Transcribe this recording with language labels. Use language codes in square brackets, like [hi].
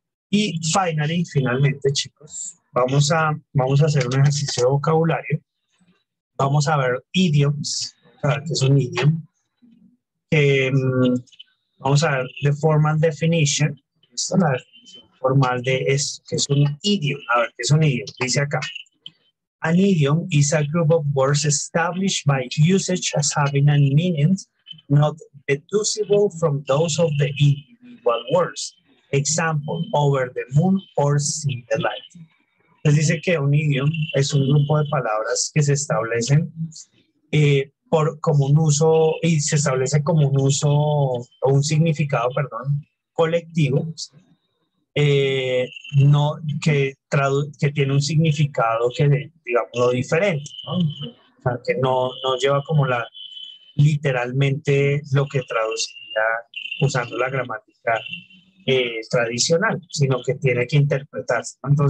[es] Y finalmente, chicos, vamos a hacer un ejercicio de vocabulario. Vamos a ver idioms, que es un idiom. Vamos a ver [en] the formal definition. [es] Esta es la definición formal de esto, que es un idiom. A ver, ¿qué es un idiom? Dice acá. [en] An idiom is a group of words established by usage as having a meaning not deducible from those of the individual words. Example, over the moon or see the light. [es] Entonces dice que un idiom es un grupo de palabras que se establecen como un significado colectivo que tiene un significado que digamos lo diferente, ¿no? O sea, que no lleva como la literalmente lo que traduciría usando la gramática tradicional, sino que tiene que interpretarse, ¿no?